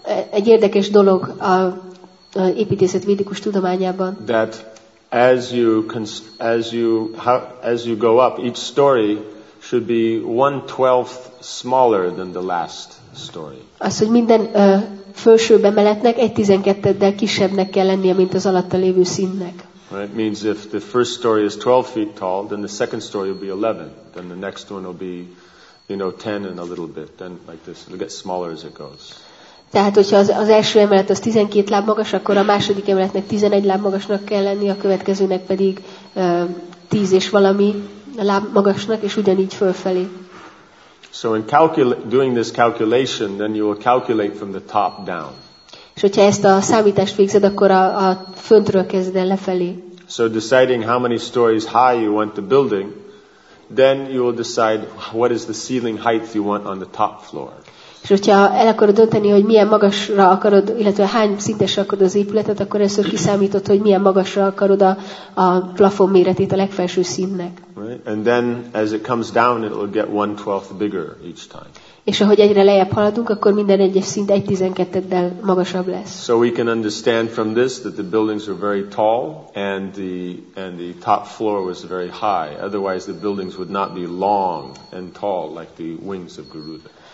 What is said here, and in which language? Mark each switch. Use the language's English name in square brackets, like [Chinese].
[Hungarian] Egy érdekes dolog a építészet védikus tudományában. [English] That as you go up, each story should be 1/12 smaller than the last story. [Hungarian] Az, hogy minden felsőbb emeletnek 1/12-del kisebbnek kell lennie, mint az alatta lévő szintnek. [English] Right, it means if the first story is 12 feet tall, then the second story will be 11, then the next one will be, you know, 10 and a little bit, then like this, it'll get smaller as it goes. [Hungarian] Tehát, hogyha az első emelet az 12 láb magas, akkor a második emeletnek 11 láb magasnak kell lenni, a következőnek pedig 10 és valami láb magasnak, és ugyanígy fölfelé. [English] So in doing this calculation, then you will calculate from the top down. [Hungarian] És hogyha ezt a számítást végzed, akkor a föntről kezded el lefelé. [English] So deciding how many stories high you want the building, then you will decide what is the ceiling height you want on the top floor. [Hungarian] És hogyha el akarod dönteni, hogy milyen magasra akarod, illetve hány szintesre akarod az épületet, akkor először kiszámítod, hogy milyen magasra akarod a plafon méretét a legfelső szintnek. [English] Right. And then as it comes down, it will get 1/12 bigger each time. [Hungarian] És ahogy egyre lejjebb haladunk, akkor minden egyes szint 1/12-del magasabb lesz. [English] So we can understand from this that the buildings were very tall and the top floor was very high. Otherwise the buildings would not be long and tall like the wings of Garuda.